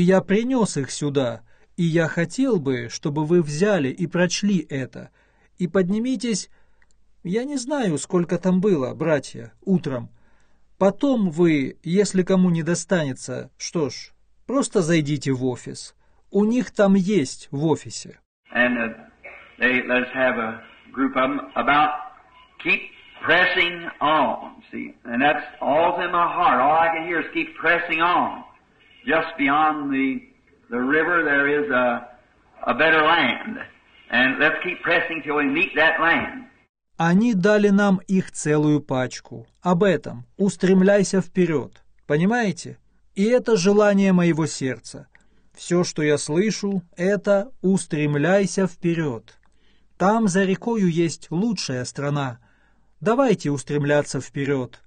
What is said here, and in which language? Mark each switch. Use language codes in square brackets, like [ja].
[ru] я принес их сюда, и я хотел бы, чтобы вы взяли и прочли это, и поднимитесь... Я не знаю, сколько там было, братья, утром. Потом вы, если кому не достанется, что ж, просто зайдите в офис. У них там есть в офисе. [en] And they let us have a group of them about keep pressing on, see. And that's all in my heart. All I can hear is keep pressing on. Just beyond the river there is a better land. And let's keep pressing till we meet that land. [ru] Они дали нам их целую пачку. Об этом. Устремляйся вперед. Понимаете? И это желание моего сердца. Все, что я слышу, это «устремляйся вперед». Там за рекою есть лучшая страна. Давайте устремляться вперед.